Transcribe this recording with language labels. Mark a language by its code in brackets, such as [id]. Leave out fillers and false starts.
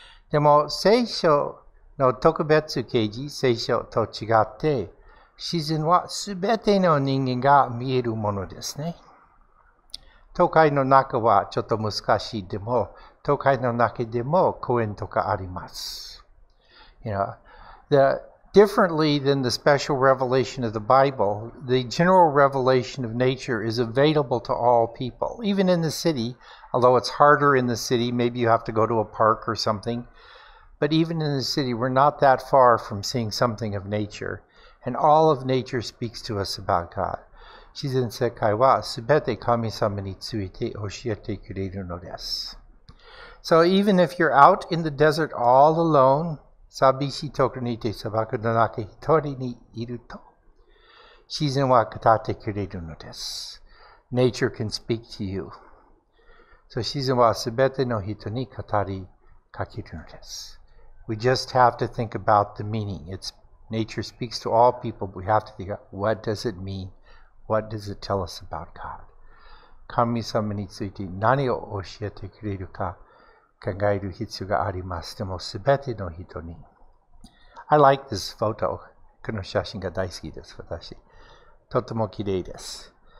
[ja] でも聖書の特別啓示、聖書と違って、自然は全ての人間が見えるものですね。都会の中はちょっと難しい。でも都会の中でも公園とかあります。 [en] You know, Differently than the special revelation of the Bible, the general revelation of nature is available to all people, even in the city, although it's harder in the city, maybe you have to go to a park or something. But even in the city, we're not that far from seeing something of nature, and all of nature speaks to us about God. [ja] 自然世界は全て神様について教えてくれるのです。 [en] So even if you're out in the desert all alone, [ja] 寂しいところにいて砂漠の中一人にいると、自然は語ってくれるのです。 [en] Nature can speak to you. [ja] So 自然は全ての人に語りかけるのです。 [en] We just have to think about the meaning. It's nature speaks to all people, but we have to think about what does it mean? What does it tell us about God? [ja] 神様について何を教えてくれるか。考える必要があります。でも、すべての人に。 [en] I like this photo. [ja] この写真が大好きです、私。とても綺麗です。